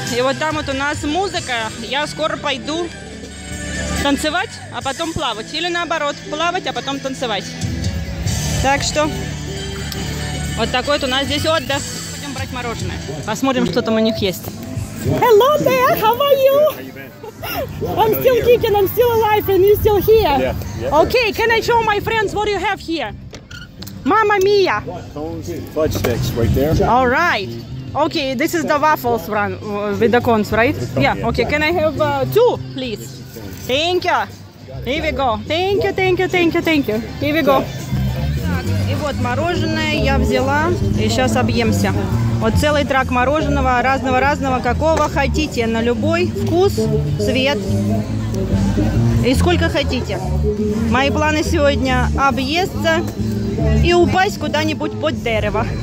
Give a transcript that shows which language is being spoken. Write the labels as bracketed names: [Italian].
[Russian] И вот там вот у нас музыка. Я скоро пойду танцевать, а потом плавать. Или наоборот, плавать, а потом танцевать. Так что, вот такой вот у нас здесь отдых. Пойдем брать мороженое. Посмотрим, что там у них есть. [English] Hello there, how are you? I'm still kicking, I'm still alive, and you're still here. Yeah. Okay, can I show my friends what you have here? Mamma mia! Fudge sticks right there. All right. Okay, this is the waffles run with the cones, right? Yeah, okay. Can I have two, please? Thank you. Here we go. Thank you, thank you, thank you, thank you. Here we go. [Russian] И вот мороженое я взяла, и сейчас объемся. Вот целый трак мороженого, разного-разного, какого хотите, на любой вкус, цвет. И сколько хотите. Мои планы сегодня — объесться и упасть куда-нибудь под дерево.